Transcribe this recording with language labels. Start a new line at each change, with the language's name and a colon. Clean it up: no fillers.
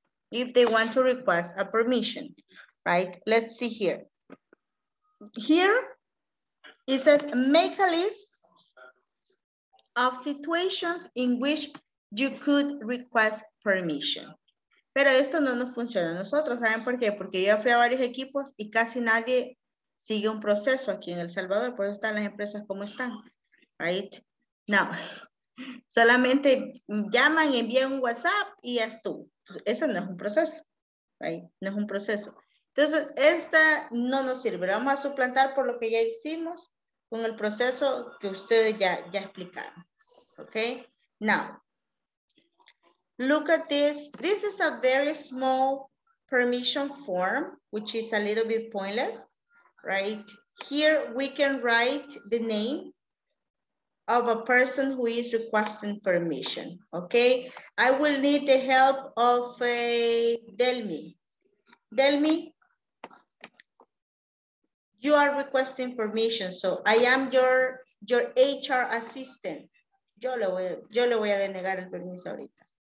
English: if they want to request a permission, right? Let's see here. Here, it says, make a list of situations in which you could request permission.
Spanish: Pero esto no nos funciona a nosotros, ¿saben por qué? Porque yo fui a varios equipos y casi nadie sigue un proceso aquí en El Salvador, por eso están las empresas como están, right? No, solamente llaman, envían un WhatsApp y ya estuvo. Entonces, eso no es un proceso, right? No es un proceso. Entonces, esta no nos sirve, la vamos a suplantar por lo que ya hicimos con el proceso que ustedes ya explicaron, ¿ok?
English: Now, look at this. This is a very small permission form, which is a little bit pointless, right? Here we can write the name of a person who is requesting permission, okay? I will need the help of Delmi. Delmi, you are requesting permission, so I am your HR assistant.
Spanish: Yo le voy a denegar el permiso ahorita.